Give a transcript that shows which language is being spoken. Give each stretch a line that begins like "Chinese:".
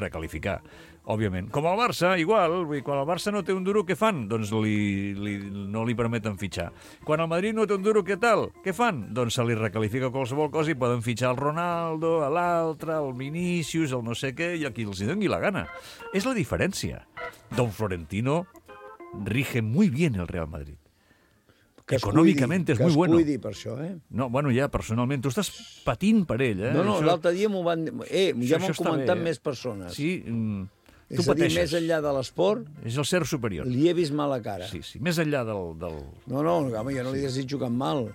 Catalan: Recalificar, òbviament. Com el Barça, igual. Quan el Barça no té un duro, què fan? Doncs no li permeten fitxar. Quan el Madrid no té un duro, què tal? Què fan? Doncs se li recalifica qualsevol cosa i poden fitxar el Ronaldo, l'altre, el Vinícius, el no sé què, i a qui els doni la gana. És la diferència.
Spanish: Don Florentino rige muy bien el Real Madrid.
Catalan: Econòmicament és molt bueno. Que es cuidi per això, eh? No, bueno, ja, personalment, tu estàs patint per ell, eh? No, això... l'altre dia m'ho van... ja m'ho han comentat bé, més persones. Sí, tu pateixes. És a dir, més enllà de l'esport... És el ser superior. Li he vist mala cara. Sí, més enllà del... No, home, jo no li desitjo cap mal.